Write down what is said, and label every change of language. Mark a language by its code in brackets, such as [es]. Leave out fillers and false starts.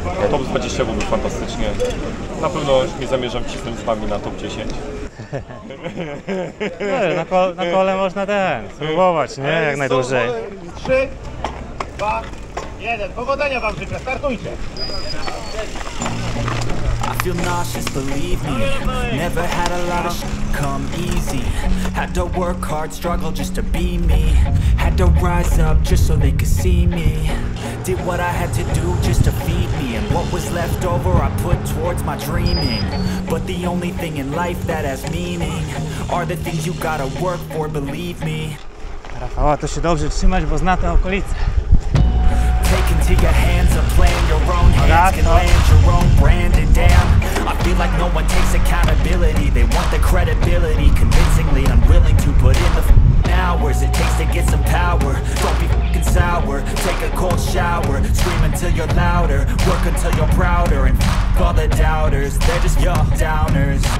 [pl] Top 20 byłby fantastycznie. Na pewno nie zamierzam cisnąć z wami na top 10. No, na kole można ten, spróbować, nie? Jak najdłużej. 3, 2, 1. Powodzenia wam życzę, startujcie. [en] I feel nauseous, believe me. Never had a lot of come easy. Had to work hard, struggle just to be me. Had to rise up just so they could see me. Did what I had to do just to feed me. And what was left over I put towards my dreaming. But the only thing in life that has meaning are the things you gotta work for, believe me. [pl] Rafała, to się dobrze trzymać, bo zna te okolice. [en] Your hands are playing your own hands can land your own brand and damn I feel like no one takes accountability they want the credibility convincingly unwilling to put in the hours it takes to get some power don't be f***ing sour take a cold shower scream until you're louder work until you're prouder and f*** all the doubters they're just your downers.